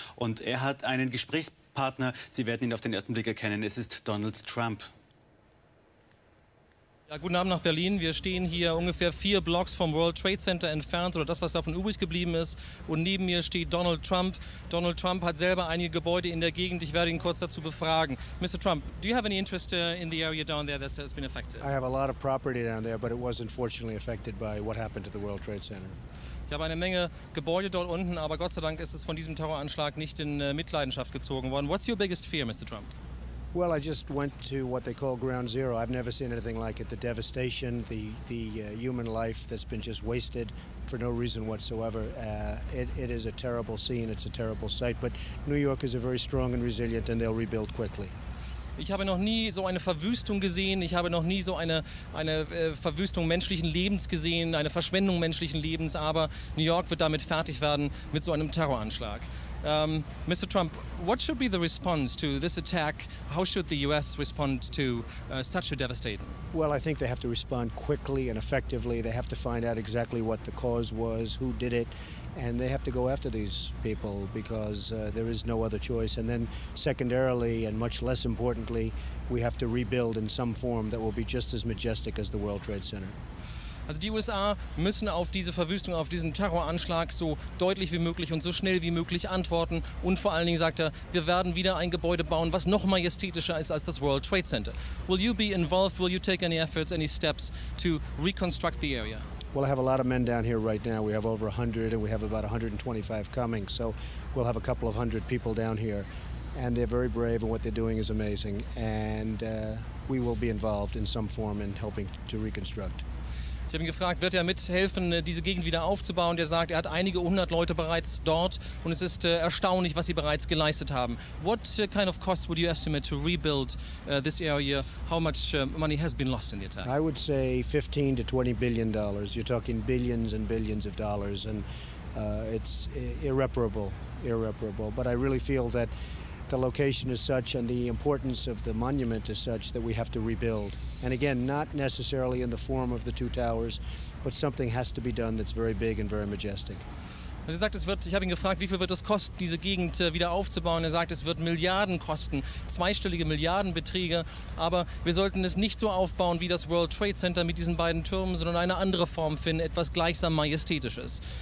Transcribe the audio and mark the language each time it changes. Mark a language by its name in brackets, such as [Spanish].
[German] Und er hat einen Gesprächspartner. Sie werden ihn auf den ersten Blick erkennen. Es ist Donald Trump. Ja, guten Abend nach Berlin. Wir stehen hier ungefähr 4 Blocks vom World Trade Center entfernt oder das, was davon übrig geblieben ist. Und neben mir steht Donald Trump. Donald Trump hat selber einige Gebäude in der Gegend. Ich werde ihn kurz dazu befragen. Mr. [English] Trump, do you have any interest in the area down there that has been affected? I have a lot of property down there, but it was unfortunately affected by what happened to the World Trade Center. [German] Ich habe eine Menge Gebäude dort unten, aber Gott sei Dank ist es von diesem Terroranschlag nicht in Mitleidenschaft gezogen worden. [English] What's your biggest fear, Mr. Trump? Well, I just went to what they call Ground Zero. I've never seen anything like it. The devastation, the human life that's been just wasted for no reason whatsoever. It is a terrible scene. It's a terrible sight. But New York is a very strong and resilient, and they'll rebuild quickly. [German] Ich habe noch nie so eine Verwüstung gesehen. Ich habe noch nie so eine Verwüstung menschlichen Lebens gesehen, eine Verschwendung menschlichen Lebens. Aber New York wird damit fertig werden mit so einem Terroranschlag. [English] Mr. Trump, what should be the response to this attack? How should the U.S. respond to such a devastating? Well, I think they have to respond quickly and effectively. They have to find out exactly what the cause was, who did it, and they have to go after these people because there is no other choice. And then secondarily, and much less importantly, we have to rebuild in some form that will be just as majestic as the World Trade Center. [German] Also die USA müssen auf diese Verwüstung, auf diesen Terroranschlag so deutlich wie möglich und so schnell wie möglich antworten. Und vor allen Dingen sagt er, wir werden wieder ein Gebäude bauen, was noch majestätischer ist als das World Trade Center. [English] Will you be involved? Will you take any efforts, any steps to reconstruct the area? Well, I have a lot of men down here right now. We have over 100 and we have about 125 coming. So we'll have a couple of hundred people down here. And they're very brave and what they're doing is amazing. And we will be involved in some form in helping to reconstruct. [German] Ich habe ihn gefragt, wird er mithelfen, diese Gegend wieder aufzubauen? Der sagt, er hat einige hundert Leute bereits dort und es ist erstaunlich, was sie bereits geleistet haben. [English] What kind of cost would you estimate to rebuild this area? How much money has been lost in the attack? I would say $15 to $20 billion. You're talking billions and billions of dollars and it's irreparable. But I really feel that the location is such and the importance of the monument is such that we have to rebuild. And again, not necessarily in the form of the two towers, but something has to be done that's very big and very majestic. [German] Sie sagt, es wird, ich habe ihn gefragt, wie viel wird es kosten, diese Gegend wieder aufzubauen. Er sagt, es wird Milliarden kosten, zweistellige Milliardenbeträge. Aber wir sollten es nicht so aufbauen wie das World Trade Center mit diesen beiden Türmen, sondern eine andere Form finden, etwas gleichsam Majestätisches.